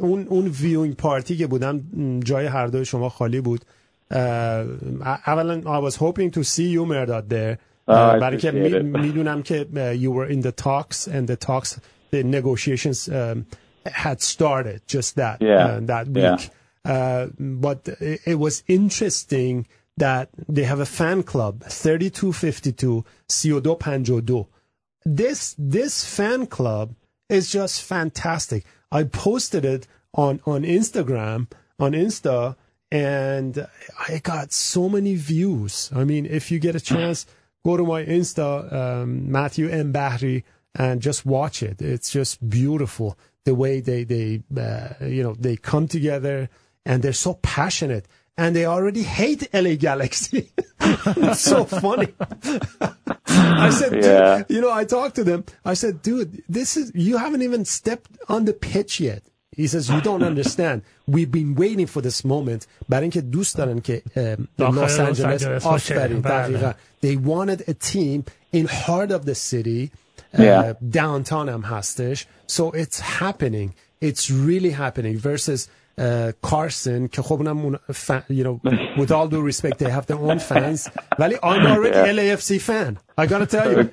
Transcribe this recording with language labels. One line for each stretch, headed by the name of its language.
Persian: من اون
English: viewing party
Persian: که بودم جای هر دوی شما خالی بود.
English: I was hoping to see you, Mehrdad, there.
Persian: برای که میدونم که
English: you were in the talks, the negotiations. Had started just that week, but it was interesting that they have a fan club 3252 CO252. This fan club is just fantastic. I posted it on Instagram, on Insta, and I got so many views. I mean, if you get a chance, go to my Insta, Matthew M. Bahri, and just watch it. It's just beautiful the way they come together, and they're so passionate, and they already hate LA Galaxy. It's so funny. I said, yeah. I talked to them. I said, dude, you haven't even stepped on the pitch yet. He says, you don't understand. We've been waiting for this moment.
Persian: برای اینکه دوست دارن که Los Angeles آفرین.
English: They wanted a team in heart of the city. Downtown
Persian: هم هستش.
English: So it's happening. It's really happening. Versus Carson,
Persian: که خب اونم
English: with all due respect, they have their own fans.
Persian: ولی
English: I'm already LAFC fan. I gotta tell you.